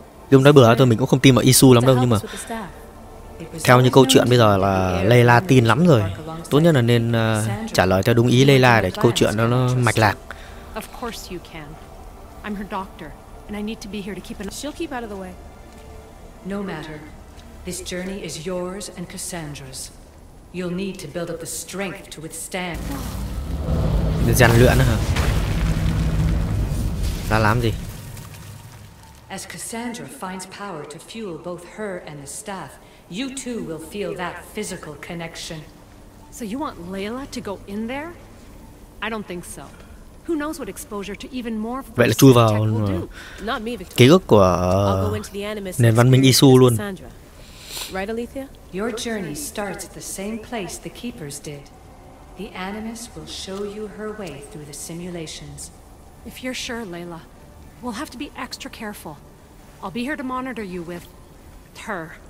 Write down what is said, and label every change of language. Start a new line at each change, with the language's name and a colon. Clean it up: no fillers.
Vietnamese: Dung nói bừa thôi, mình cũng không tin vào Isu lắm đâu, nhưng mà theo như câu chuyện bây giờ là Layla tin lắm rồi. Tốt nhất là nên trả lời theo đúng ý Layla để câu chuyện nó mạch lạc.
English: Of course you can. I'm her doctor, and I need to be here to keep an. She'll keep out of the way. No matter. This journey is yours and Cassandra's. You'll need to build up the strength to withstand.
Vietnamese: Rèn luyện hả? Ra làm gì?
English: As Cassandra finds power to fuel both her and the staff, you too will feel that physical connection. So you want Layla to go in there? I don't think so. Who knows what exposure to even more.
Vietnamese: Vậy là chui vào ký ức của nền văn minh Isu luôn.
English: Right, Alethea? Your journey starts at the same place the keepers did. The Animus will show you her way through the simulations. If you're sure, Layla, we'll have to be extra careful. I'll be here to monitor you with her.